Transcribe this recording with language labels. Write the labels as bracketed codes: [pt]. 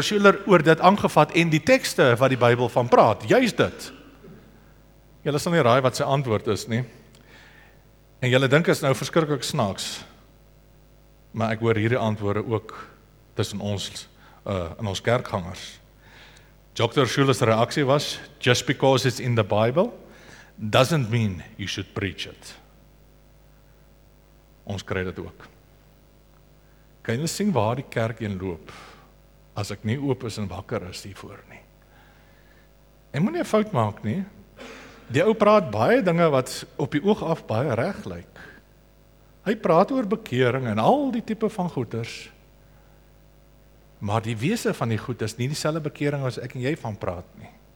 [af] Schuller oor dit aangevat en die tekste wat die Bybel van praat, juist dit. Julle sal nie raai wat sy antwoord is nie. En julle dink is nou verskrikkelijk snaaks, maar ek hoor hierdie antwoorde ook tussen ons, in ons kerkgangers. Dr. [en] Schuller's [af] reaksie was, [en] just because it's in the Bible, doesn't mean you should preach it. [af] Ons kry dit ook. Kan jy sien waar die kerk in loop, as ek nie oop is en wakker is hiervoor nie? En moet nie fout maak nie, die ou praat baie dinge wat op die oog af baie reg lyk. Hy praat oor bekering en al die type van goeders, maar die wese van die goed is nie die selfe bekering as ek en jy van praat nie.